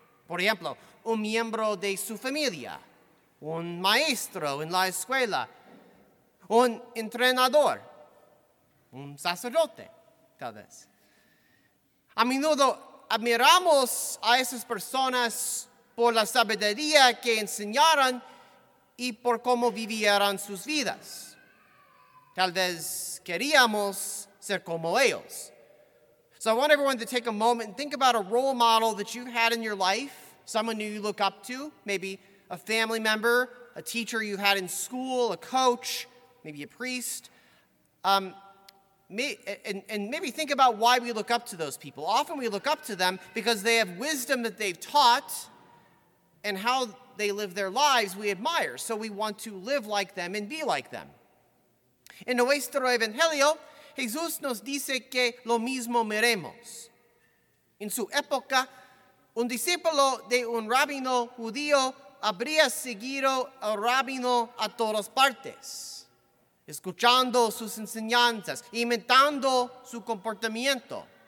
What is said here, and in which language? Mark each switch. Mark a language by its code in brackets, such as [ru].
[es] Por ejemplo, un miembro de su familia, un maestro en la escuela, un entrenador, un sacerdote, tal vez. A menudo admiramos a esas personas por la sabiduría que enseñaron y por cómo vivieron sus vidas. Tal vez queríamos ser como ellos. [en] So I want everyone to take a moment and think about a role model that you've had in your life, someone who you look up to, maybe a family member, a teacher you had in school, a coach, maybe a priest. Maybe think about why we look up to those people. Often we look up to them because they have wisdom that they've taught and how they live their lives we admire. So we want to live like them and be like them. [es] In nuestro evangelio, Jesús nos dice que lo mismo miremos. En su época, un discípulo de un rabino judío habría seguido al rabino a todas partes, escuchando sus enseñanzas, imitando su comportamiento.